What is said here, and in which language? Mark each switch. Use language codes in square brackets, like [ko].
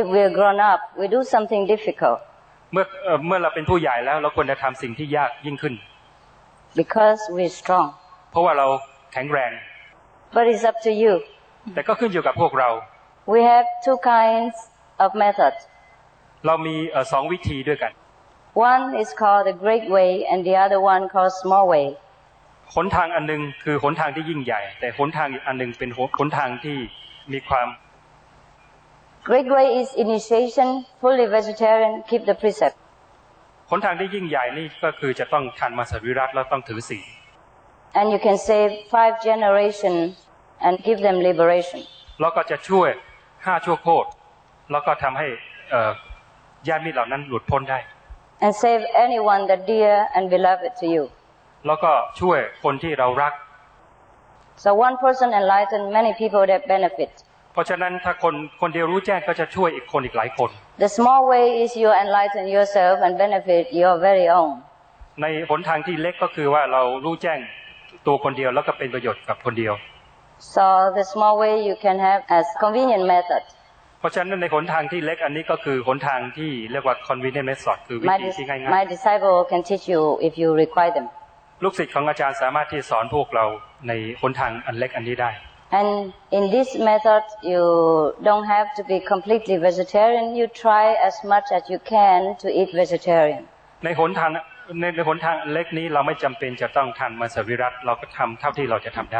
[en] If we're grown up we do something difficult [th] เมื่อเราเป็นผู้ใหญ่แล้วเราควรจะทำสิ่งที่ยากยิ่งขึ้น [en] Because we're strong [th] เพราะว่าเราแข็งแรง [en] But it's up to you [th] แต่ก็ขึ้นอยู่กับพวกเรา [en] We have two kinds of methods [th] เรามี2วิธีด้วยกัน [en] One is called the great way and the other one called small way [th] หนทางอันนึงคือหนทางที่ยิ่งใหญ่แต่หนทางอีกอันนึงเป็นหนทางที่มีความ [en] Great way is initiation, fully vegetarian, keep the precept. [th] หนทางที่ยิ่งใหญ่นี่ก็คือจะต้องทานมังสวิรัติแล้วต้องถือศีล [en] And you can save 5 generations and give them liberation. [th] แล้วก็จะช่วย5ชั่วโคตรแล้วก็ทำให้ญาติมิตรเหล่านั้นหลุดพ้นได้ [en] And save anyone that dear and beloved to you. [th] แล้วก็ช่วยคนที่เรารัก [en] So one person enlightened many people that benefit. [th] เพราะฉะนั้นถ้าคนเดียวรู้แจ้งก็จะช่วยอีกคนอีกหลายคน [en] The small way is you enlighten yourself and benefit your very own [th] ในหนทางที่เล็กก็คือว่าเรารู้แจ้งตัวคนเดียวแล้วก็เป็นประโยชน์กับคนเดียว [en] So the small way you can have as convenient method [th] เพราะฉะนั้นในหนทางที่เล็กอันนี้ก็คือหนทางที่เรียกว่า [en] convenient method [th] คือวิธีที่ง่ายๆ [en] My disciple can teach you if you require them [th] ลูกศิษย์ของอาจารย์สามารถที่สอนพวกเราในหนทางอันเล็กอันนี้ได้ [en] And in this method, you don't have to be completely vegetarian. You try as much as you can to eat vegetarian. [th] ในหนทางเล็กนี้เราไม่จำเป็นจะต้องทานมังสวิรัติเราก็ทำเท่าที่เราจะทำได